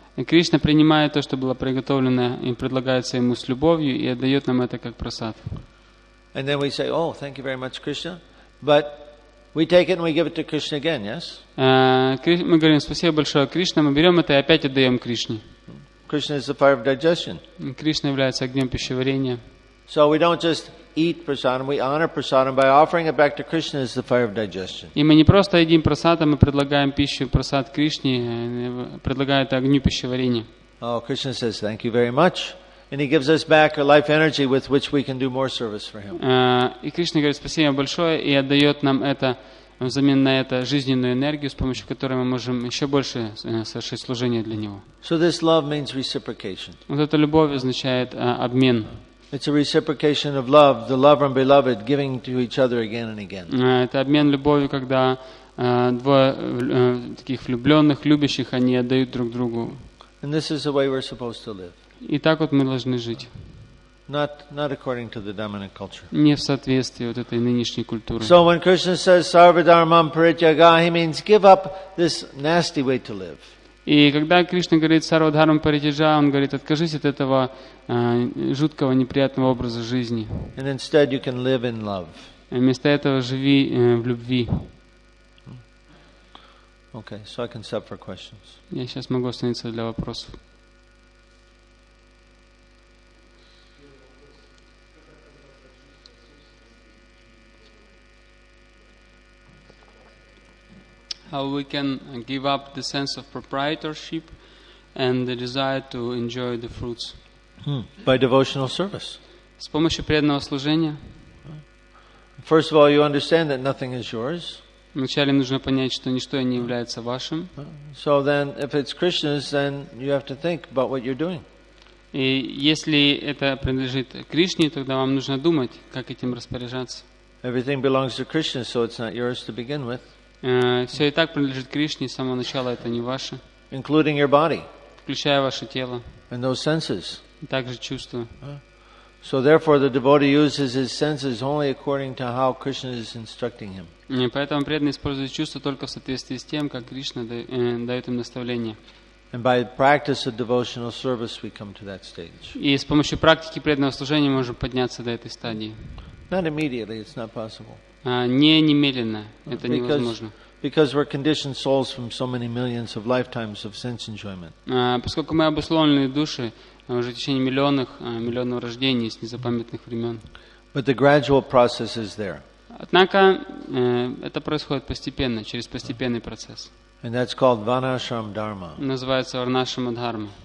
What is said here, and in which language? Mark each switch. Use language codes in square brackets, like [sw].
[ru] Кришна принимает то, что было приготовлено, и предлагается ему с любовью и отдает нам это как просад. [en] And then we say, "Oh, thank you very much, Krishna," but we take it and we give it to Krishna again. Yes. [ru] Мы говорим спасибо большое Кришне, мы берем это и опять отдаем Кришне. [en] Krishna is the fire of digestion. [ru] Кришна является огнем пищеварения. [en] So we don't just eat prasadam, we honor prasadam by offering it back to Krishna as the fire of digestion. [ru] И мы не просто едим прасадам, мы предлагаем пищу прасад Кришне, предлагаем это огню пищеварения. [en] Oh, Krishna says, thank you very much. And he gives us back a life energy with which we can do more service for him. [ru] И Кришна говорит, спасибо большое, и отдает нам это, взамен на это, жизненную энергию, с помощью которой мы можем еще больше совершить служение для него. [en] So this love means reciprocation. [ru] Вот эта любовь означает обмен. [en] It's a reciprocation of love, the lover and beloved giving to each other again and again. [ru] Это обмен любовью, когда двое таких влюбленных, любящих, они отдают друг другу. [en] And this is the way we're supposed to live. [ru] И так вот мы должны жить. [en] Not according to the dominant culture. [ru] Не в соответствии вот этой нынешней культуры. [en] So when Krishna says [sa] "Sarva Dharmam Parityaga," [en] he means give up this nasty way to live. [ru] И когда Кришна говорит [sa] «Сарва Дхарма Паритиджа», [ru] Он говорит «Откажись от этого жуткого, неприятного образа жизни». [en] And instead you can live in love. [ru] И вместо этого живи в любви. [en] Okay, so I can stop for questions. [ru] Я сейчас могу остановиться для вопросов. [en] How we can give up the sense of proprietorship and the desire to enjoy the fruits. By devotional service. [ru] С помощью преданного служения. [en] First of all, you understand that nothing is yours. [ru] Вначале нужно понять, что ничто не является вашим. [en] So then, if it's Krishna's, then you have to think about what you're doing. [ru] И если это принадлежит Кришне, тогда вам нужно думать, как этим распоряжаться. [en] Everything belongs to Krishna, so it's not yours to begin with. [ru] Все и так принадлежит Кришне, с самого начала это не ваше. [en] Including your body. [ru] Включая ваше тело. [en] And those senses. [ru] И также чувства. [en] So therefore, the devotee uses his senses only according to how Krishna is instructing him. [ru] Поэтому преданный использует чувства только в соответствии с тем, как Кришна дает им наставление. [en] And by practice of devotional service, we come to that stage. [ru] И с помощью практики преданного служения мы можем подняться до этой стадии. [en] Not immediately, it's not possible. [ru] Не немедленно, это невозможно. [en] Because we're conditioned souls from so many millions of lifetimes of sense enjoyment. [ru] Поскольку мы обусловленные души уже в течение миллионов рождений с незапамятных времен. [en] But the gradual process is there. [ru] Однако это происходит постепенно, через постепенный процесс. [en] And that's called Varnashram Dharma. [ru] Называется Варнашрама Дхарма.